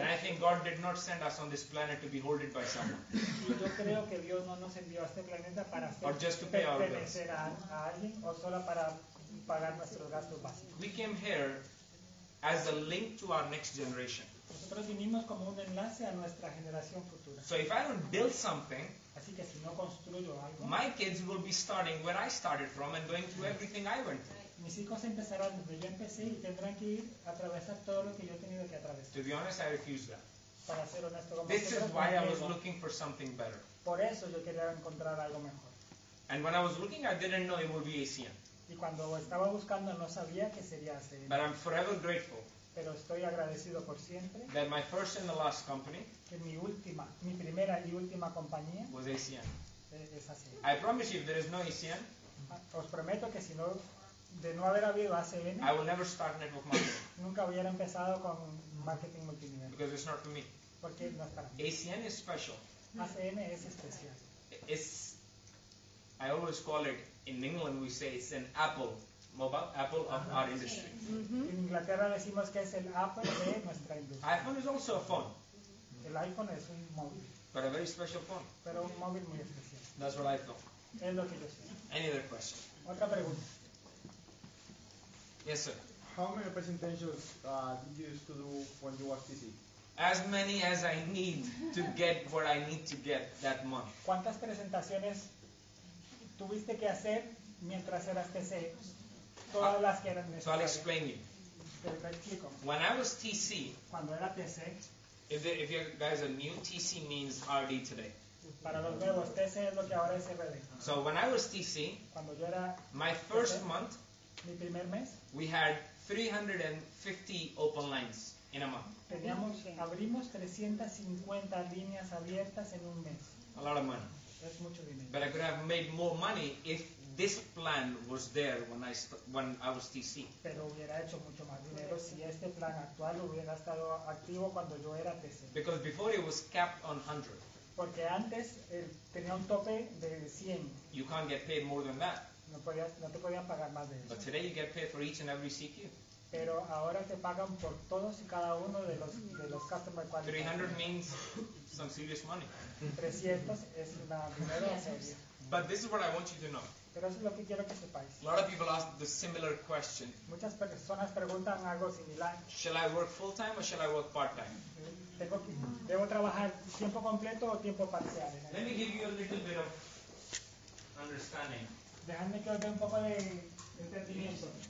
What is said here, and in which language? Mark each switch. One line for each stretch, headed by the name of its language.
English: And I think God did not send us on this planet to be holded by someone.
Spanish: Yo creo que Dios no nos envió a este planeta para ser,
English: or just to pay our bills.
Spanish: A alguien, o solo para pagar nuestros gastos básicos.
English: We came here as a link to our next generation.
Spanish: Nosotros vinimos como un enlace a nuestra generación futura.
English: So if I don't build something,
Spanish: así que si no construyo algo,
English: my kids will be starting where I started from and going through everything I went through.
Spanish: Mis hijos empezarán donde yo empecé y tendrán que ir a atravesar todo lo que yo he tenido que atravesar.
English: To be honest, I refuse that.
Spanish: Para ser honesto,
English: this is why I was looking for something better.
Spanish: Por eso yo quería encontrar algo mejor.
English: And when I was looking, I didn't know it would be ACN.
Spanish: Y cuando estaba buscando no sabía que sería así.
English: But I'm forever grateful.
Spanish: Pero estoy agradecido por siempre.
English: That my first and the last company.
Spanish: Que mi primera y última compañía.
English: Was ACN.
Spanish: Es así.
English: I promise you, if there is no ACN.
Spanish: Os prometo que si no, de no haber habido ACN.
English: I will never start network marketing.
Spanish: Nunca hubiera empezado con marketing multinivel.
English: Because it's not for me.
Spanish: Porque no es para mí.
English: ACN is special.
Spanish: ACN es especial.
English: It's, I always call it, in England we say it's an Apple, mobile Apple of our industry.
Spanish: En Inglaterra decimos que es el Apple de nuestra industria.
English: iPhone is also a phone.
Spanish: El iPhone es un móvil.
English: But a very special phone.
Spanish: Pero un móvil muy especial.
English: That's what I thought.
Spanish: Es lo que yo sé.
English: Any other question?
Spanish: Otra pregunta.
English: Yes, sir. How many presentations did you used to do when you were busy? As many as I need to get what I need to get that month.
Spanish: ¿Cuántas presentaciones tuviste que hacer mientras eras TC? Todas las que eran necesarias.
English: So I'll explain you.
Spanish: Explico.
English: When I was TC,
Spanish: cuando era TC,
English: if you guys are new, TC means RD today.
Spanish: Para los nuevos, TC es lo que ahora es RD.
English: So when I was TC,
Spanish: cuando yo era
English: my first TC, month,
Spanish: mi primer mes,
English: we had 350 open lines in a month.
Spanish: Teníamos, abrimos 350 líneas abiertas en un mes.
English: A lot of money. But I could have made more money if this plan was there when I was TC.
Spanish: Pero hubiera hecho mucho más dinero si este plan actual hubiera estado activo cuando yo era TC.
English: Because before it was capped on 100.
Spanish: Porque antes tenía un tope de 100.
English: You can't get paid more than that.
Spanish: No podías, no te podían pagar más de eso.
English: But today you get paid for each and every CQ.
Spanish: Pero ahora te pagan por todos y cada uno de los customer qualifiers.
English: 300 means some serious money.
Spanish: 300 es una dinero serio.
English: But this is what I want you to know.
Spanish: Pero eso es lo que quiero que sepáis.
English: A lot of people ask the similar question.
Spanish: Muchas personas preguntan algo similar.
English: Shall I work full time or shall I work part time?
Spanish: Tengo que, debo trabajar tiempo completo o tiempo parcial.
English: Let me give you a little bit of understanding.
Spanish: Déjame que os dé un poco de entendimiento.